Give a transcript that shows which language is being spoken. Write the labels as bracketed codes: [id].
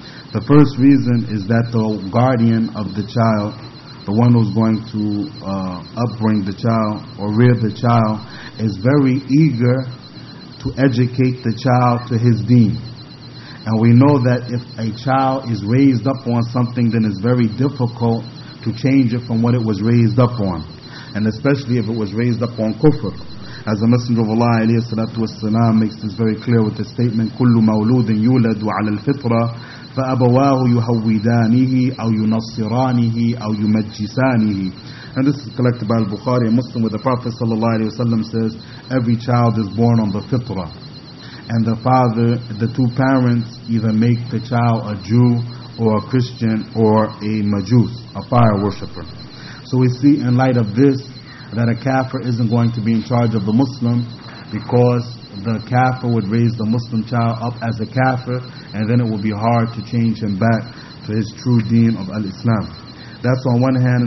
[en] The first reason is that the guardian of the child, the one who's going to upbring the child or rear the child, is very eager to educate the child to his deen. And we know that if a child is raised up on something, then it's very difficult to change it from what it was raised up on. And especially if it was raised up on kufr. As the Messenger of Allah عليه الصلاة والسلام makes this very clear with the statement, [ar] كُلُّ مَوْلُودٍ يُولَدُ عَلَى الْفِطْرَةِ فَأَبَوَاهُ يُهَوِّدَانِهِ أَوْ يُنَصِّرَانِهِ أَوْ يُمَجِّسَانِهِ. [en] And this is collected by Al-Bukhari, a Muslim, where the Prophet ﷺ says, every child is born on the fitrah. And the father, the two parents, either make the child a Jew or a Christian or a Majus, a fire worshipper. So we see in light of this, that a kafir isn't going to be in charge of the Muslim, because the kafir would raise the Muslim child up as a kafir, and then it would be hard to change him back to his true deen of al-Islam. That's on one hand.